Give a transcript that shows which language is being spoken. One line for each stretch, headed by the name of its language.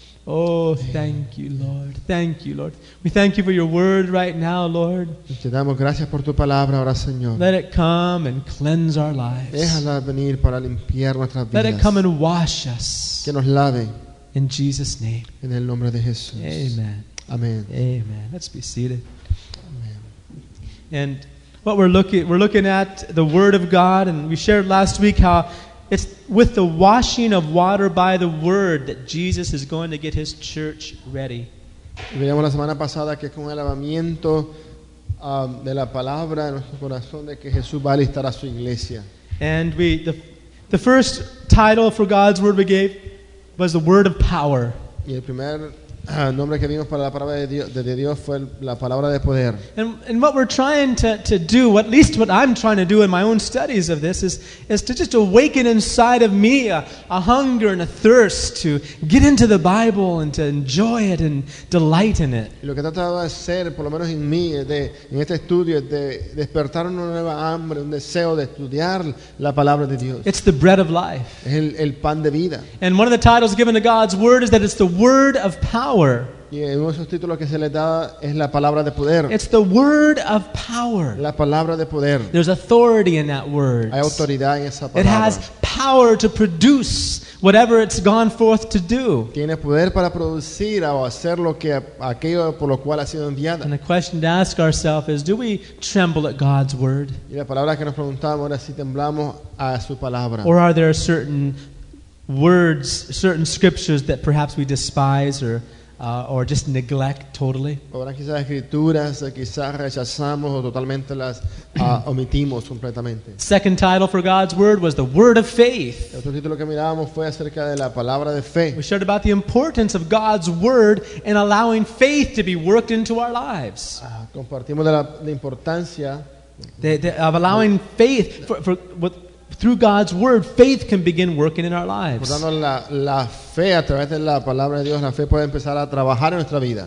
English: Oh, thank you, Lord. Thank you, Lord. We thank you for your word right now, Lord.
Spanish: Te damos gracias por tu palabra ahora, Señor.
English: Let it come and cleanse our lives.
Spanish: Déjala venir para limpiar nuestras vidas.
English: Let it come and wash us.
Spanish: Que nos lave.
English: In Jesus' name.
Spanish: En el nombre de Jesús.
English: Amen.
Spanish: Amen.
English: Amen. Let's be seated. And what we're looking at the Word of God, and we shared last week how it's with the washing of water by the Word that Jesus is going to get His church ready.
Spanish: Veíamos la semana pasada que con el lavamiento de la palabra en nuestro corazón de que Jesús va a listar a su iglesia.
English: And the first title for God's Word we gave was the Word of Power.
Spanish: Y el primer nombre que vimos para la palabra de Dios fue la palabra de poder.
English: And what we're trying to do, at least what I'm trying to do in my own studies of this, is to just awaken inside of me a hunger and a thirst to get into the Bible and to enjoy it and delight in it.
Spanish: Lo que he tratado de hacer, por lo menos en mí, en este estudio, es de despertar una nueva hambre, un deseo de estudiar la palabra de Dios.
English: It's the bread of life.
Spanish: Es el pan de vida.
English: And one of the titles given to God's word is that it's the word of power. It's the word of power.
Spanish: La palabra de poder.
English: There's authority in that word.
Spanish: Hay autoridad en esa palabra.
English: It has power to produce whatever it's gone forth to do.
Spanish: Tiene poder para producir o hacer lo que aquello por lo cual ha sido enviada.
English: And the question to ask ourselves is, do we tremble at God's word?
Spanish: Y la palabra que nos preguntamos ahora si temblamos a su palabra.
English: Or are there certain scriptures that perhaps we despise or just neglect totally?
Spanish: Ahora quizás escrituras quizás rechazamos o totalmente las omitimos completamente.
English: Second title for God's word was the word of faith.
Spanish: El otro título que mirábamos fue acerca de la palabra de fe.
English: We shared about the importance of God's word in allowing faith to be worked into our lives.
Spanish: Compartimos de la importancia
English: of allowing faith for what. Through God's word, faith can begin working in our lives.
Spanish: Por tanto, la fe a través de la palabra de Dios, la fe puede empezar a trabajar en nuestra vida.